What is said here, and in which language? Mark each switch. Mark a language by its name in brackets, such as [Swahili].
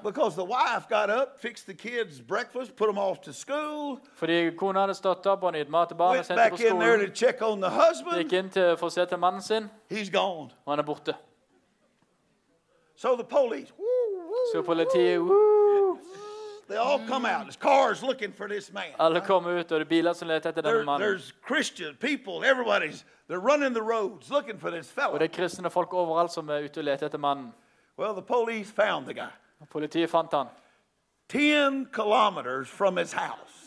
[English] Because the wife got up, fixed the kids' breakfast, put them off to school. [Norwegian] Fordi kona hadde stått opp og gitt mat til barna, sendt dem på skolen. [English] Went back in there to check on the husband. [Norwegian] Gikk inn for å se til mannen sin. [English] He's gone. [Norwegian] Og han borte. [English] So the police. [Norwegian] Så politiet. Woo. [English] They all come out. There's cars looking for this man. [Norwegian] Alle kommer ut og det er biler som leter etter denne mannen. [English] There's Christian people. Everybody's. They're running the roads looking for this fellow. [Norwegian] Og det er kristne folk overalt som er ute og leter etter mannen. [English] Well, the police found the guy. [Norwegian] Politiet fant han. [English] 10 kilometers from his house.